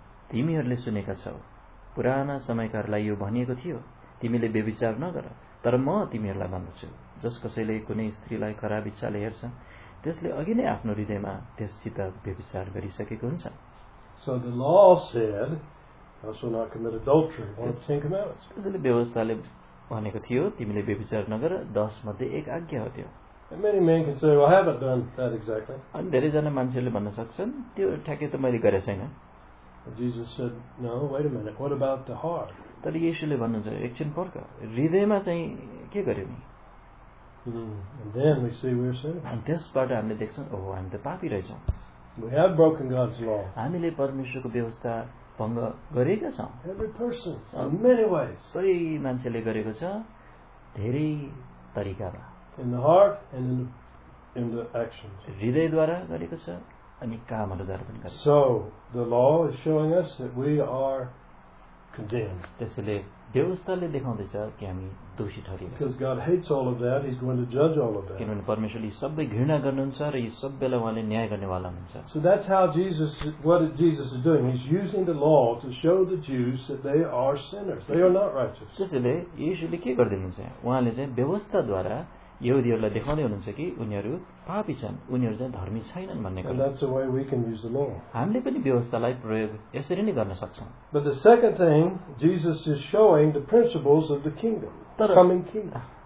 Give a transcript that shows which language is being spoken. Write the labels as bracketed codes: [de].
[ne] तिमीहरूले सुनेका छौ पुराना समयकारलाई यो भनिएको थियो तिमीले व्यभिचार नगर तर म तिमीहरूलाई भन्दछु जस कसैले कुनै स्त्रीलाई खराब इच्छाले हेर्छ त्यसले अघि नै आफ्नो हृदयमा त्यससित व्यभिचार गरिसकेको हुन्छ [en] So the law said, thou shalt not commit adultery, one of the Ten Commandments. [ne] त्यसले व्यवस्थाले भनेको थियो तिमीले व्यभिचार नगर दस मध्ये एक आज्ञा हो त्यो [en] And many men can say, well, I haven't done that exactly. [ne] अनि धेरैजना मान्छेहरूले भन्न सक्छन् त्यो ठ्याक्कै त मैले गरे छैन [en] Jesus said, no, wait a minute, what about the heart? [ne] तर यीशुले भन्नुहुन्छ एकछिन पर्ख हृदयमा चाहिँ के गर्यो नि [en] And then we see we're sinners. [ne] अनि त्यसबाट हामीले देख्छौँ ओहो हामी त पापी रहेछौँ [en] We have broken God's law. [ne] हामीले परमेश्वरको व्यवस्था भङ्ग गरेका छौँ [en] Every person, in many ways. [ne] सबै मान्छेले गरेको छ धेरै तरिकामा [en] In the heart and in the actions. [ne] हृदयद्वारा गरेको छ अनि कामहरूद्वारा पनि गर्छ [en] So, the law is showing us that we are condemned. [ne] त्यसैले व्यवस्थाले देखाउँदैछ कि हामी दोषी ठहरिन्छ [en] Because God hates all of that, He's going to judge all of that. [ne] किनभने परमेश्वरले सबै घृणा गर्नुहुन्छ र यी सबैलाई उहाँले न्याय गर्नेवाला हुनुहुन्छ [en] So, that's how Jesus, what Jesus is doing. He's using the law to show the Jews that they are sinners. They are not righteous. [ne] त्यसैले यीशुले के गर्दिनुहुन्छ उहाँले चाहिँ व्यवस्थाद्वारा यहुदीहरूलाई देखाउँदै हुनुहुन्छ कि उनीहरू पापी छन् उनीहरू चाहिँ धर्मी छैनन् भन्ने कुरा हामीले पनि व्यवस्थालाई प्रयोग यसरी नै गर्न सक्छौँ [en] But the second thing, Jesus is showing the principles of the kingdom, the coming kingdom.